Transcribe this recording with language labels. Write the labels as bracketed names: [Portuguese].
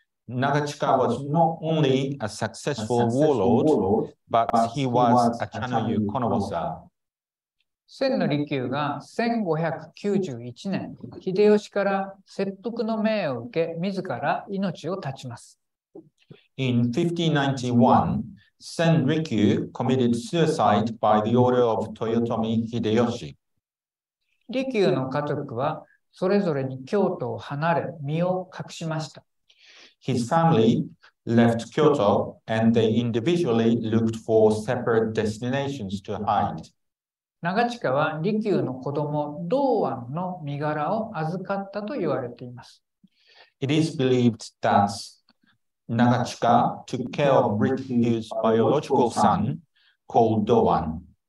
[English] Nagachika was not only a successful warlord, but he was a chanoyu konowasa. [Japanese] 千利休が1591年、秀吉から切腹の命を受け、自ら命を絶ちます。 [English] In 1591, 千利休 committed suicide by the order of Toyotomi Hideyoshi. [Japanese] 利休の家族はそれぞれに京都を離れ、身を隠しました。 [English] His family left Kyoto and they individually looked for separate destinations to hide. [Japanese] 長近は利休の子供、道庵の身柄を預かったと言われています。 [English] It is believed that 長近 took care of 利休's biological son called 道庵。